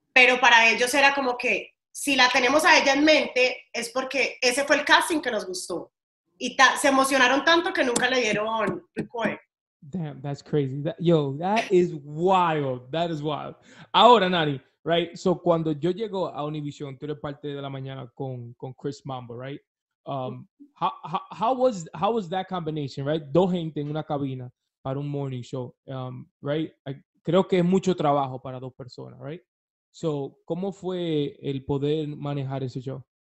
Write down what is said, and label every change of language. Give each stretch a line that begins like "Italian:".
Spanish: Pero para ellos era como que, si la tenemos a ella en mente, es porque ese fue el casting que nos gustó. Y se emocionaron tanto que nunca le dieron record.
English: Damn, that's crazy. That is wild. That is wild.
Spanish: Ahora,
English: Nani.
Spanish: Right, so cuando yo llego a Univision, tú eres parte de la mañana con Chris Mambo, right?
English: How was that combination, right?
Spanish: Dos gente en una cabina para un morning show, right? Creo que es mucho trabajo para dos personas, right? So, ¿cómo fue el poder manejar ese show?